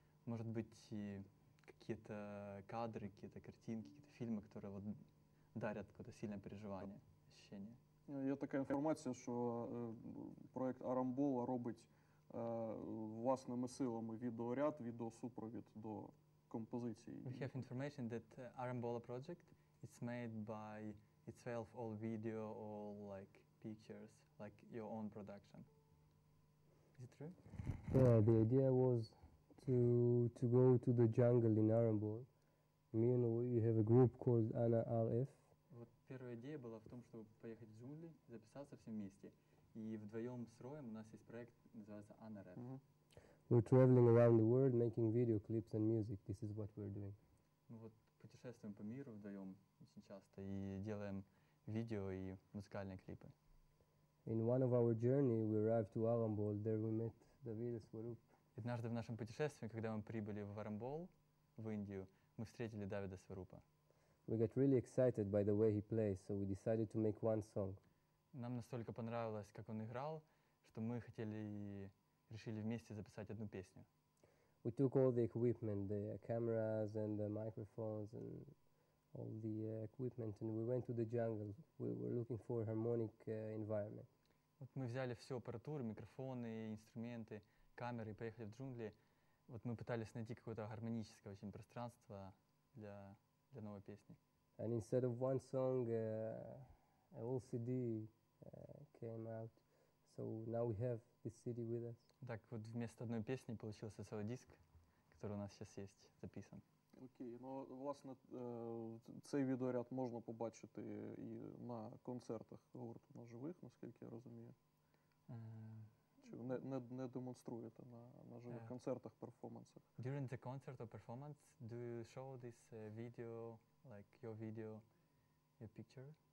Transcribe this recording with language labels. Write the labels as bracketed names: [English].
[Russian] Может быть, какие-то кадры, какие-то картинки, какие-то фильмы, которые вот дарят какое-то сильное переживание, ощущение. [Ukrainian] Є така інформація, що проект «Арамбола» робить власними силами відеоряд, відеосупровід до композиції. [English] We have information that «Арамбола» project is made by itself, all video, all like pictures, like your own production. Is it true? Yeah, the idea was to go to the jungle in Arambol. Me and we have a group called Anna RF. [Russian] Вот первая идея была в том, чтобы поехать в джунгли, записаться все вместе. И вдвоем с Роем у нас есть проект, называется Anna RF. [English] We're traveling around the world, making video clips and music. This is what we're doing. [Russian] Вот путешествуем по миру вдвоем очень часто и делаем видео и музыкальные клипы. [English] In one of our journey, we arrived to Arambol. There we met David Swarup. [Russian] Однажды в нашем путешествии, когда мы прибыли в Арамбол, в Индию, мы встретили Давида Сварупа. [English] We got really excited by the way he plays, so we decided to make one song. [Russian] Нам настолько понравилось, как он играл, что мы хотели решили вместе записать одну песню. [English] We took all the equipment, the cameras and the microphones and all the equipment, and we went to the jungle. We were looking for a harmonic environment. [Russian] Вот мы взяли всю аппаратуру, микрофоны, инструменты, камеры и поехали в джунгли. Вот мы пытались найти какое-то гармоническое очень пространство для новой песни. [English] And instead of one song, a whole CD came out. So now we have this CD with us. [Russian] Так вот вместо одной песни получился целый диск, который у нас сейчас есть записан. [Ukrainian] Окей, ну, власне, цей відеоряд можна побачити і на концертах гурту на живих, наскільки я розумію. Чи не демонструєте на живих концертах, перформансах? [English] During the concert or performance, do you show this video, like your video, your picture?